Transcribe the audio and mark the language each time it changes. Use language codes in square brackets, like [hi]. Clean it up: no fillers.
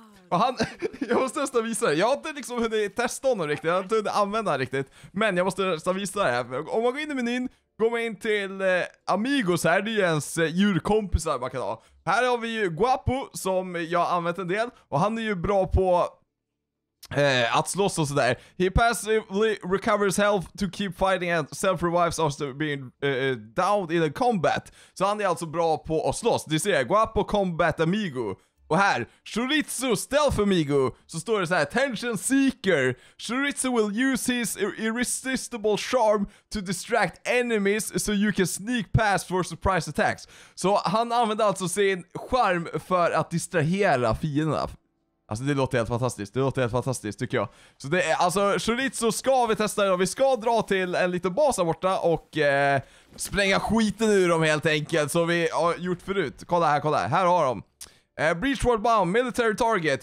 [sv] Och han, jag måste nästan visa det. Jag har inte liksom hunnit testa honom riktigt. Jag har inte hunnit använda honom riktigt. Men jag måste nästan visa det här. Om man går in i menyn, går man in till Amigos här. Det är ju ens djurkompisar man kan ha. Här har vi ju Guapo som jag har använt en del. Och han är ju bra på att slåss och sådär. [en] He passively recovers health to keep fighting and self-revives after being downed in a combat. [sv] Så han är alltså bra på att slåss. Du ser, Guapo Combat Amigo. Och här, Chorizo Stealth Amigo. Så står det så här: Tension Seeker. [en] Chorizo will use his irresistible charm to distract enemies so you can sneak past for surprise attacks. [sv] Så han använder alltså sin charm för att distrahera fienderna. Alltså det låter helt fantastiskt tycker jag. Så det är, alltså Chorizo ska vi testa idag. Vi ska dra till en liten bas här borta och spränga skiten ur dem helt enkelt. Som vi har gjort förut. Kolla här. Här har de. Breachward Bomb, Military Target.